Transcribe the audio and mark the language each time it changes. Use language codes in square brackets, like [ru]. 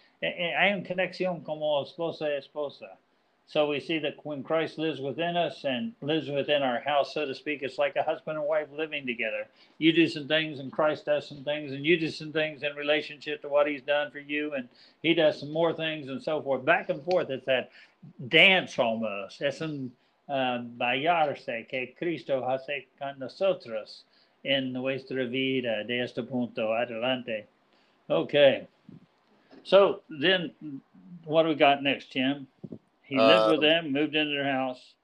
[es] Hay una conexión como esposa, esposa. [en] So we see that when Christ lives within us and lives within our house, so to speak, it's like a husband and wife living together. You do some things and Christ does some things, and you do some things in relationship to what he's done for you, and he does some more things and so forth. Back and forth, it's that dance almost. [es] Es un bailarse que Cristo hace con nosotros. [en] In [es] nuestra vida, de este punto, adelante. [en] Okay. So then what do we got next, Tim? He lived with them, moved into their house.